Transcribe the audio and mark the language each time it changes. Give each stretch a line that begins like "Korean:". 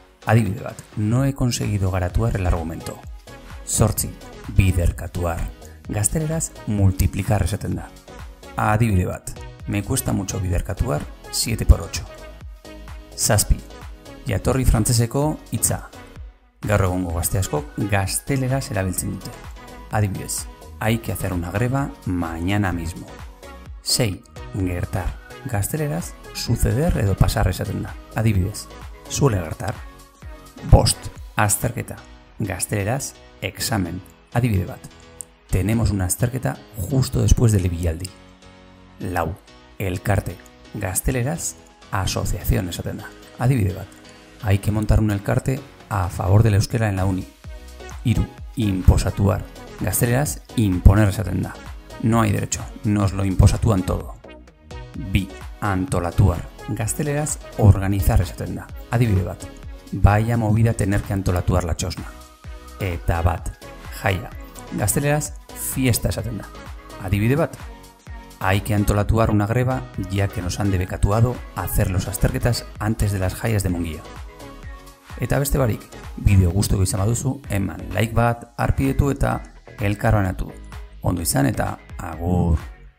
Basque: Adibide bat,
Spanish: no he conseguido garatuar el argumento.
Basque: 8, biderkatuar, gazteleraz multiplicar esaten da. Adibide bat,
Spanish: me cuesta mucho biderkatuar 7x8.
Basque: 7, jatorri frantseseko hitza. Gaur egungo gazte askok gazteleraz erabiltzen dute.
Spanish: Adibidez, hay que hacer una greba mañana mismo.
Basque: 6, gertar. Gazteleraz, suceder edo pasar esaten da. Adibidez, suele gertar. 5, azterketa. Gazteleraz, examen. Adibide bat,
Spanish: tenemos una azterketa justo después del ibilaldi.
Basque: 4, elkarte. Gazteleraz, asociación esaten da. Adibide bat,
Spanish: hay que montar un elkarte a favor del euskera en la uni.
Basque: 3, imposatuar. Gazteleraz, imponer esaten da.
Spanish: No hay derecho, nos lo imposatúan todo.
Basque: 2, antolatuar. Gazteleraz, organizar esaten da. Adibide bat,
Spanish: vaya movida tener que antolatuar la txosna.
Basque: Eta bat, jaia. Gazteleraz, fiesta esaten da.
Spanish: Adibide bat, hay que antolatuar una greba ya que nos han debekatuado hacer los azterketas antes de las jaias de Mungia.
Basque: Eta beste barik, bideo gustuko izan baduzu, eman like bat, arpidetu eta elkarbanatu. Ondo izan eta agur.